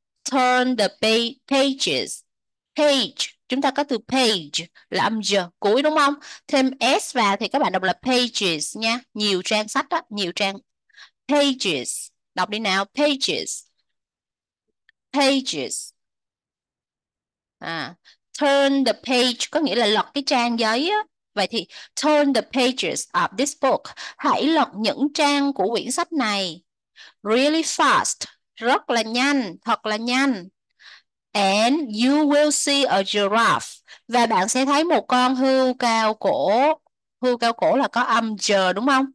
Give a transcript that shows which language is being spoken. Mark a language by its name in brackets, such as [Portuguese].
[English] Turn the pages. [Vietnamese] Page. Chúng ta có từ page là âm J cuối đúng không? Thêm S vào thì các bạn đọc là pages nha. Nhiều trang sách đó. Nhiều trang. Pages. Đọc đi nào. Pages. Pages. À, [English] turn the page [Vietnamese] có nghĩa là lật cái trang giấy á. [English] Vậy thì turn the pages of this book. [Vietnamese] Hãy lật những trang của quyển sách này. [English] Really fast. [Vietnamese] Rất là nhanh, thật là nhanh. [English] And you will see a giraffe. [Vietnamese] Và bạn sẽ thấy một con hươu cao cổ. Hươu cao cổ là có âm giờ đúng không?